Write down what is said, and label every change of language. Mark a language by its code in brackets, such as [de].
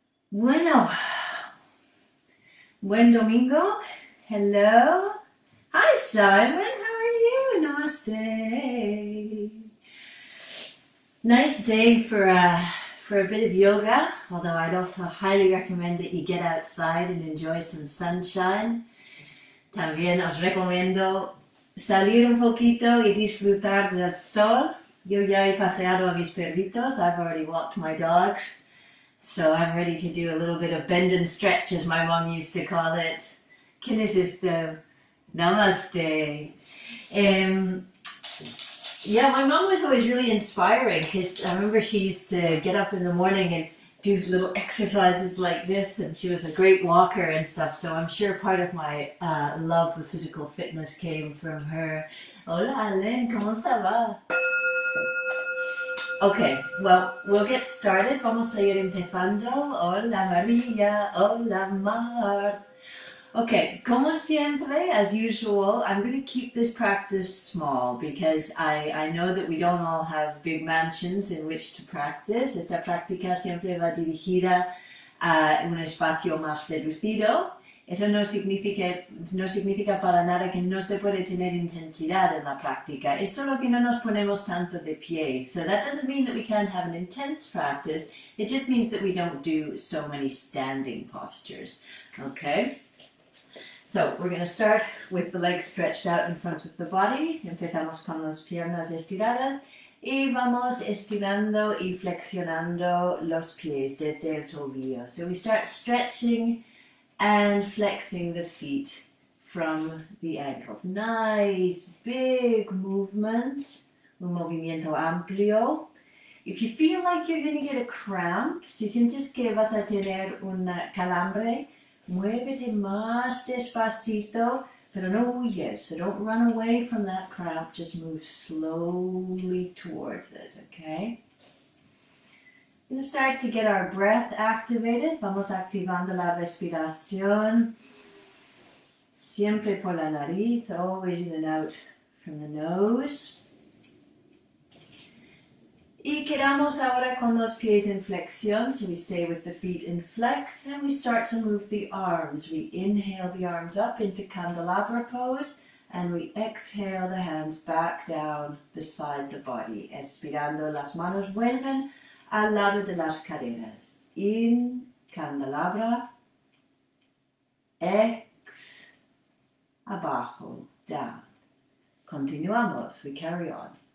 [es] Bueno. Buen domingo. [en] Hello. Hi, [es] Simon. [en] How are you? Namaste. Nice day for a bit of yoga, although I'd also highly recommend that you get outside and enjoy some sunshine. [es] También os recomiendo salir un poquito y disfrutar del sol. Yo ya he paseado a mis perritos. [en] I've already walked my dogs. So I'm ready to do a little bit of bend and stretch, as my mom used to call it. Kinesis, namaste. Yeah, my mom was always really inspiring because I remember she used to get up in the morning and do little exercises like this, and she was a great walker and stuff. So I'm sure part of my love for physical fitness came from her. [es] Hola, Alain, ¿cómo se va? [en] Okay, well, we'll get started. [es] Vamos a ir empezando. Hola María, hola Mar. [en] Okay, [es] como siempre, [en] as usual, I'm going to keep this practice small because I know that we don't all have big mansions in which to practice. [es] Esta práctica siempre va dirigida a un espacio más reducido. Eso no significa para nada que no se puede tener intensidad en la práctica. Es solo que no nos ponemos tanto de pie. [en] So that doesn't mean that we can't have an intense practice. It just means that we don't do so many standing postures. Okay? So we're going to start with the legs stretched out in front of the body. [es] Empezamos con las piernas estiradas. Y vamos estirando y flexionando los pies desde el tobillo. [en] So we start stretching and flexing the feet from the ankles. Nice, big movement. [es] Un movimiento amplio. [en] If you feel like you're going to get a cramp, [es] si sientes que vas a tener un calambre, muévete más despacito, pero no huyes. [en] So don't run away from that cramp, just move slowly towards it, okay? We're going to start to get our breath activated. [es] Vamos activando la respiración. Siempre por la nariz, [en] always in and out from the nose. [es] Y quedamos ahora con los pies en flexión. [en] So we stay with the feet in flex and we start to move the arms. We inhale the arms up into candelabra pose and we exhale the hands back down beside the body. [es] Expirando, las manos vuelven al lado de las caderas. [en] In, candelabra. Ex, [es] abajo, [en] down. [es] Continuamos, [en] we carry on.